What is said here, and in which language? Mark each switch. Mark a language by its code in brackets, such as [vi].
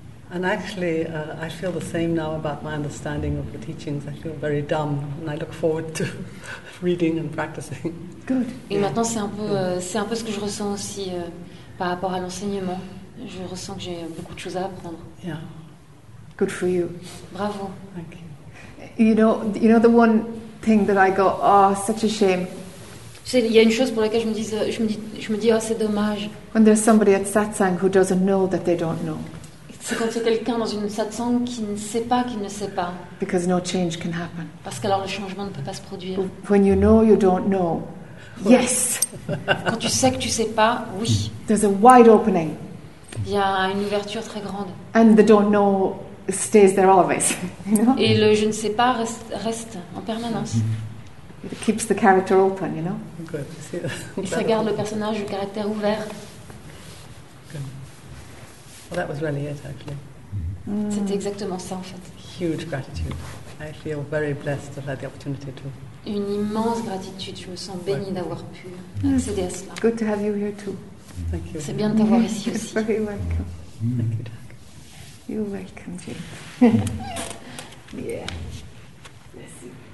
[en] And actually, I feel the same now about my understanding of the teachings. I feel very dumb, and I look forward to reading and practicing. Good. [fr] Et yeah. Maintenant, c'est un peu ce que je ressens aussi par rapport à l'enseignement. Je ressens que j'ai beaucoup de choses à apprendre. [en] Yeah. Good for you. Bravo. Thank you. You know the one thing that I go, oh, such a shame. [fr] Il y a une chose pour laquelle je me dis oh, c'est dommage. [en] When there's somebody at satsang who doesn't know that they don't know. [fr] C'est quand il y a quelqu'un dans une satsang qui ne sait pas qu'il ne sait pas. [en] Because no change can happen. [fr] Parce qu'alors le changement ne peut pas se produire. [en] When you know you don't know. Yes. [fr] Quand tu sais que tu sais pas, oui. [en] There's a wide opening. [fr] Il y a une ouverture très grande. [en] And the don't know stays there always. [fr] Et le je ne sais pas reste en permanence. [en] It keeps the character open, you know. Good. [fr] Et ça garde le personnage, le caractère ouvert. [en] Good. Well, that was really it, actually. [fr] C'était exactement ça, en fait. [en] Huge gratitude. I feel very blessed to have the opportunity to. [fr] Une immense gratitude. Je me sens bénie d'avoir pu accéder à cela. [en] Good to have you here too. Thank you. [fr] C'est bien de t'avoir ici aussi. [en] You're very welcome. Mm. Thank you, Doug. You're welcome, Jim. Yeah. Merci.